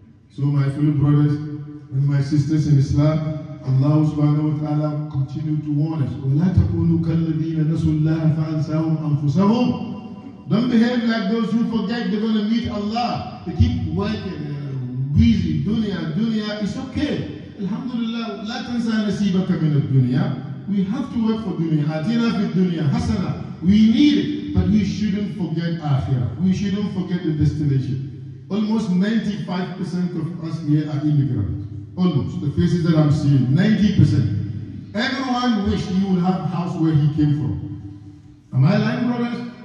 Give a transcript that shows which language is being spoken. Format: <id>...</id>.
<en>So my fellow brothers and my sisters in Islam, Allah subhanahu wa ta'ala continue to warn us.</en> <ar>وَلَا تَقُولُوا كَالَّذِينَ نَسُوا اللَّهَ فَأَنْسَاهُمْ أَنْفُسَهُمْ.</ar> <en>Don't behave like those who forget they're going to meet Allah. They keep working, busy, dunya, it's okay.</en> <ar>Alhamdulillah, لَا تَنْسَى نَسِيبَكَ مِنَ الدُّنْيَا.</ar> <en>We have to work for dunya.</en> <ar>أَتِنَا فِي الدُّنْيَا حَسَنَا.</ar> <en>We need it, but we shouldn't forget akhirah. We shouldn't forget the destination. Almost 95% of us here are immigrants. Almost, the faces that I'm seeing, 90%. Everyone wished he would have a house where he came from. Am I lying, brothers?</en>